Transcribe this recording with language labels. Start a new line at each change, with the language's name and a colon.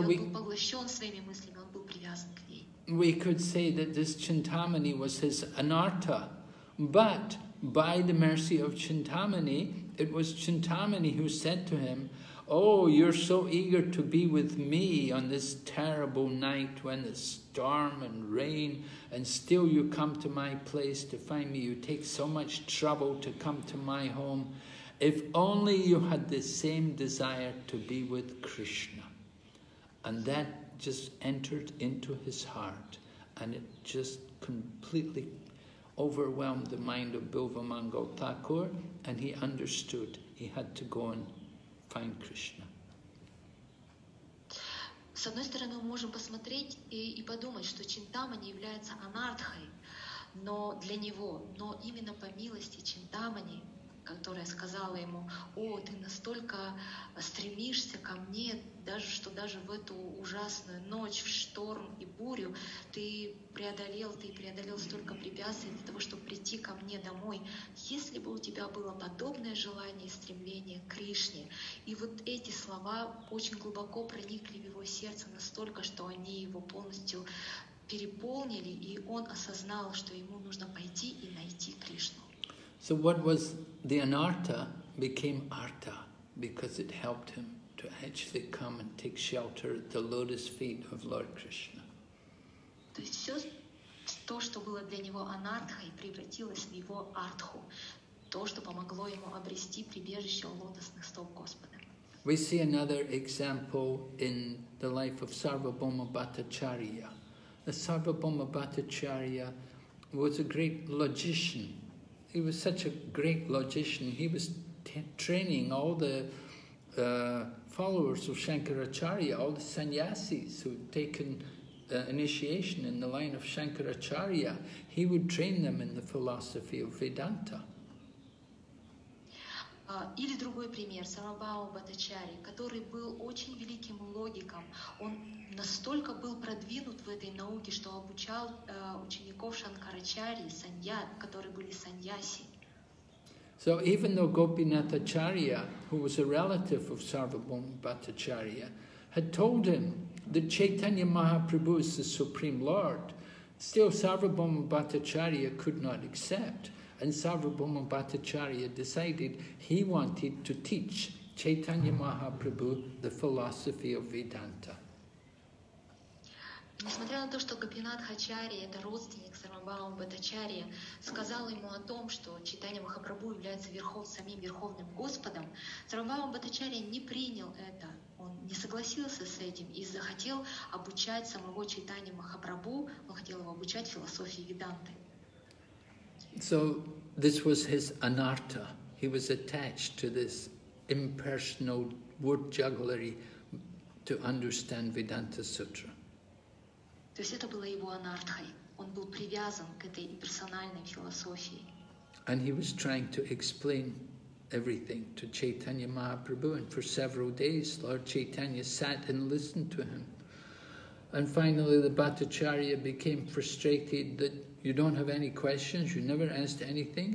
Russian: он был поглощен своими мыслями, он был привязан к ней.
English: We could say that this Chintamani was his anartha, but by the mercy of Chintamani, it was Chintamani who said to him, "Oh, you're so eager to be with me on this terrible night when it's storm and rain, and still you come to my place to find me. You take so much trouble to come to my home. If only you had the same desire to be with Krishna." And that just entered into his heart, and it just completely overwhelmed the mind of Bilvamangal Thakur, and he understood he had to go and find Krishna.
Russian: С одной стороны, мы можем посмотреть и подумать, что Чинтамани является анартхой, но для него, но именно по милости Чинтамани, которая сказала ему: «О, ты настолько стремишься ко мне, даже что даже в эту ужасную ночь, в шторм и бурю, ты преодолел столько препятствий для того, чтобы прийти ко мне домой. Если бы у тебя было подобное желание и стремление к Кришне». И вот эти слова очень глубоко проникли в его сердце, настолько, что они его полностью переполнили, и он осознал, что ему нужно пойти и найти Кришну.
English: So what was the anartha became artha because it helped him to actually come and take shelter at the lotus feet of Lord Krishna.
Russian: То есть все то, что было для него анартхой, превратилось в его артху, то, что помогло ему обрести прибежище у лотосных стоп Господа.
English: We see another example in the life of Sarvabhauma Bhattacharya. The Sarvabhauma Bhattacharya was a great logician. He was such a great logician. He was training all the followers of Shankaracharya, all the sannyasis who had taken initiation in the line of Shankaracharya. He would train them in the philosophy of Vedanta.
Russian: Или другой пример, Сарвабхаума Бхаттачарья, который был очень великим логиком. Он настолько был продвинут в этой науке, что обучал учеников Шанкарачарьи, которые были саньяси.
English: So even though Gopinath Acharya, who was a relative of Сарвабхаума Бхаттачарья, had told him that Chaitanya Mahaprabhu is the Supreme Lord, still Сарвабхаума Бхаттачарья could not accept. And Sarvabhauma Bhattacharya decided he wanted to teach Chaitanya Mahaprabhu the philosophy of Vedanta.
Russian: Несмотря на то, что Гопинатх Ачарья, это родственник Сарвабхаума Бхаттачарья, сказал ему о том, что Чайтанья Махапрабху является самим Верховным Господом, Сарвабхаума Бхаттачарья не принял это, он не согласился с этим и захотел обучать самого Чайтанья Махапрабху, он хотел его обучать философии Веданты.
English: So this was his anartha. he was attached to this impersonal word jugglery to understand Vedanta Sutra.
Russian: То есть это было его анартхой. Он был привязан к этой имперсональной философии.
English: And he was trying to explain everything to Chaitanya Mahaprabhu, and for several days Lord Chaitanya sat and listened to him. And finally the Bhattacharya became frustrated that you don't have any questions, you never asked anything.